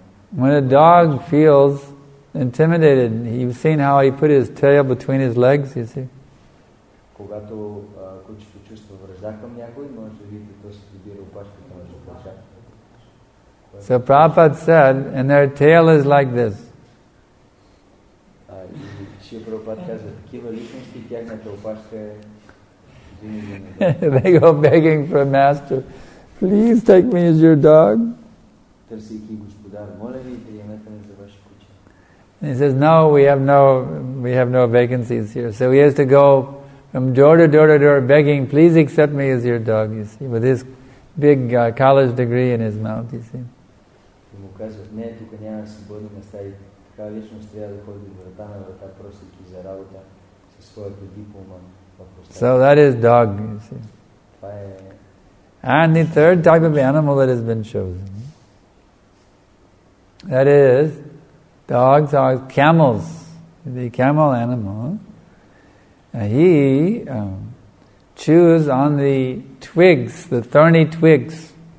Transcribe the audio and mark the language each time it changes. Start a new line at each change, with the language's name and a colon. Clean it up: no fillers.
English: When a dog feels intimidated, you've seen how he put his tail between his legs, you see.
Bulgarian: Когато кучето чувства вражда към някой, може да видите, то се прибира опашката между плечата.
English: So Prabhupada said, and their tail is like this.
Bulgarian: Шия Прабхупад каза, такива личности, тяхната опашка е...
English: They go begging for a master. Please take me as your dog.
Bulgarian: Търсейки господар, моля ви, приемете ме за ваше куче.
English: And he says, no, we have no vacancies here. So he has to go from door to door to door begging, please accept me as your dog, you see, with his big college degree in his mouth, you see.
Bulgarian: И му казват, не, тук няма свободни места и така личност трябва да ходи врата на врата, просто ти за работа със своята диплома.
English: So that is dog, you see.
Bulgarian: Това е...
English: And the third type of animal that has been chosen. That is, dogs are camels. The camel animal. He chews on the twigs, the thorny twigs.